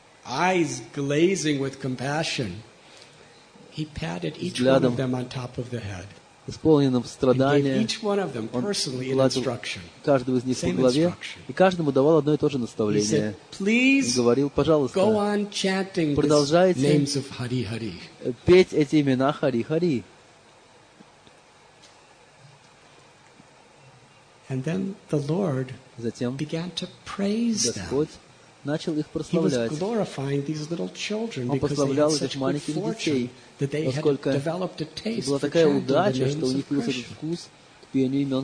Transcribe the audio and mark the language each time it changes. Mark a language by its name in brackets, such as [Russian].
[English] Eyes glazing with compassion, he patted each one of them on top of the head. [Russian] Исполненным страдания, [English] each one of them personally an instruction. [Russian] Каждого из них по голове и каждому давал одно и то же наставление. [English] Please, [Russian] говорил, пожалуйста, [English] go on chanting [Russian] продолжайте [English] the names of Hari Hari. [Russian] Петь эти имена Хари Хари. [English] And then the Lord began to praise them. He was glorifying these little children because they had such good fortune that they had developed a taste for chanting the names of Krishna.